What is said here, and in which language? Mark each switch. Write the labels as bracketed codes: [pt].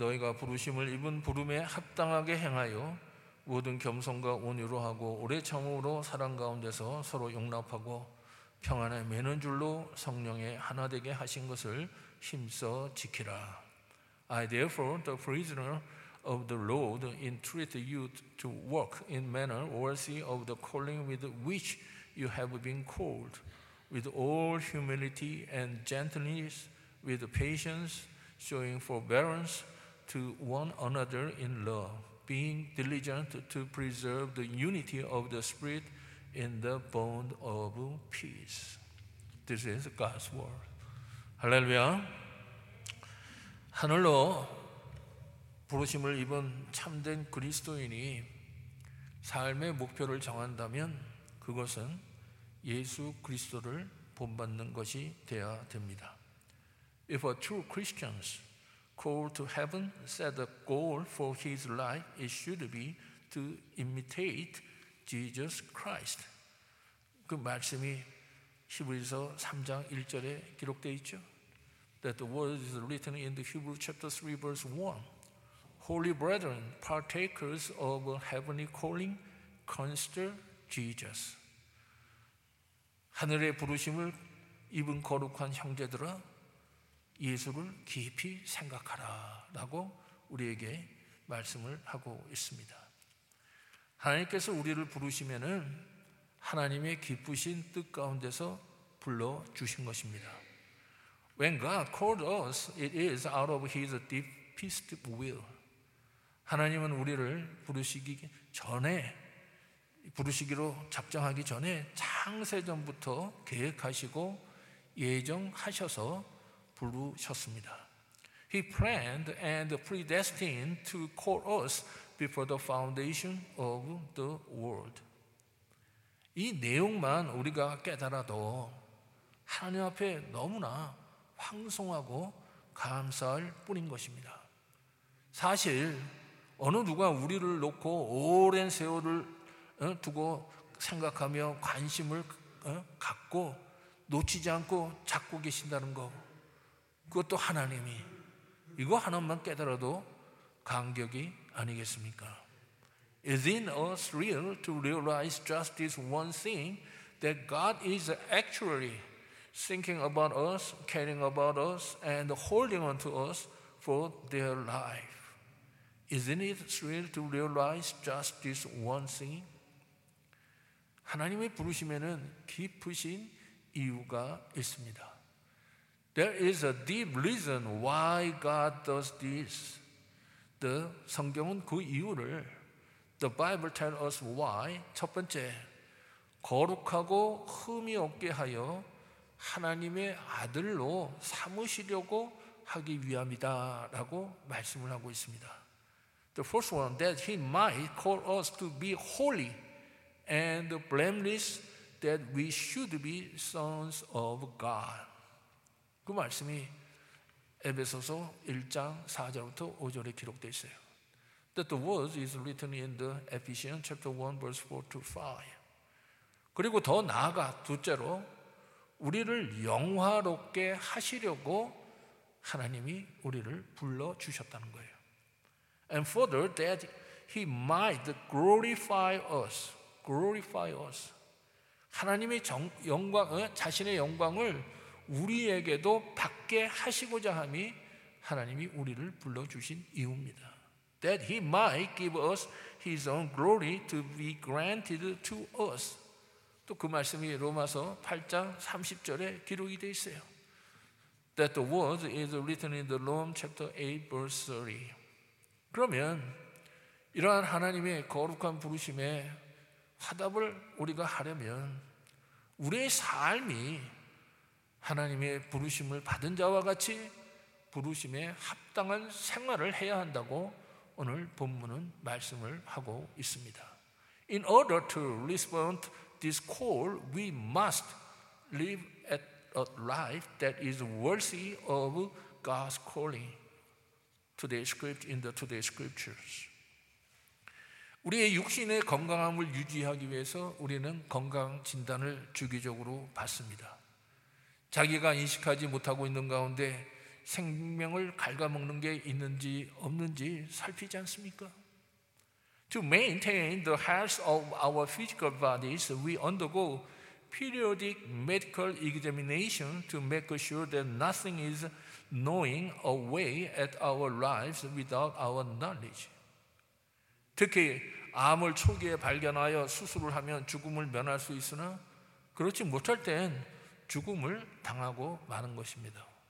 [ko] 너희가 부르심을 입은 부름에 합당하게 행하여 모든 겸손과 온유로 하고 오래 참음으로 사랑 가운데서 서로 용납하고 평안에 매는 줄로 성령에 하나 되게 하신 것을 힘써 지키라. [en] I therefore, the prisoner of the Lord, entreat you to walk in manner worthy of the calling with which you have been called, with all humility and gentleness, with patience, showing forbearance to one another in love, being diligent to preserve the unity of the Spirit in the bond of peace. This is God's word. Hallelujah. [ko] 하늘로 부르심을 입은 참된 그리스도인이 삶의 목표를 정한다면 그것은 예수 그리스도를 본받는 것이 되어야 됩니다. [en] If a true Christian called to heaven set a goal for his life, it should be to imitate Jesus Christ. [ko] 그 말씀이 히브리서 3장 1절에 기록되어 있죠. [en] That the word is written in the Hebrew chapter 3 verse 1. Holy brethren, partakers of a heavenly calling, consider Jesus. [ko] 하늘의 부르심을 입은 거룩한 형제들아, 예수를 깊이 생각하라 라고 우리에게 말씀을 하고 있습니다. 하나님께서 우리를 부르시면은 하나님의 기쁘신 뜻 가운데서 불러주신 것입니다. [en] When God called us, it is out of His deepest will. [ko] 하나님은 우리를 부르시기 전에, 부르시기로 작정하기 전에 창세전부터 계획하시고 예정하셔서 부르셨습니다. [en] He planned and predestined to call us before the foundation of the world. [ko] 이 내용만 우리가 깨달아도 하나님 앞에 너무나 황송하고 감사할 뿐인 것입니다. 사실 어느 누가 우리를 놓고 오랜 세월을 두고 생각하며 관심을 갖고 놓치지 않고 잡고 계신다는 것, 그것도 하나님이, 이거 하나만 깨달아도 감격이 아니겠습니까? [en] Is in us real to realize just this one thing that God is actually thinking about us, caring about us, and holding on to us for their life. Isn't it thrill to realize just this one thing? [ko] 하나님이 부르시면은 깊으신 이유가 있습니다. [en] There is a deep reason why God does this. [ko] 성경은 그 이유를, [en] The Bible tells us why. [ko] 첫 번째, 거룩하고 흠이 없게 하여 하나님의 아들로 삼으시려고 하기 위함이다 라고 말씀을 하고 있습니다. [en] The first one, that he might call us to be holy and blameless, that we should be sons of God. [ko] 그 말씀이 에베소서 1장 4절부터 5절에 기록되어 있어요. [en] That the word is written in the Ephesians chapter 1 verse 4 to 5. [ko] 그리고 더 나아가 둘째로 우리를 영화롭게 하시려고 하나님이 우리를 불러주셨다는 거예요. [en] And further, that he might glorify us. Glorify us. [ko] 하나님이 자신의 영광을 우리에게도 받게 하시고자 함이 하나님이 우리를 불러주신 이유입니다. [en] That he might give us his own glory to be granted to us. [ko] 또 그 말씀이 로마서 8장 30절에 기록이 되어 있어요. [en] That the word is written in the Romans chapter 8 verse 30. [ko] 그러면 이러한 하나님의 거룩한 부르심에 화답을 우리가 하려면 우리의 삶이 하나님의 부르심을 받은 자와 같이 부르심에 합당한 생활을 해야 한다고 오늘 본문은 말씀을 하고 있습니다. [en] In order to respond this call, we must live at a life that is worthy of God's calling. Today's scriptures. [ko] 우리의 육신의 건강함을 유지하기 위해서 우리는 건강 진단을 주기적으로 받습니다. 자기가 인식하지 못하고 있는 가운데 생명을 갉아먹는 게 있는지 없는지 살피지 않습니까? [en] To maintain the health of our physical bodies, we undergo periodic medical examination to make sure that nothing is gnawing away at our lives without our knowledge. [ko] 특히 암을 초기에 발견하여 수술을 하면 죽음을 면할 수 있으나 그렇지 못할 땐 죽음을 당하고 마는 것입니다.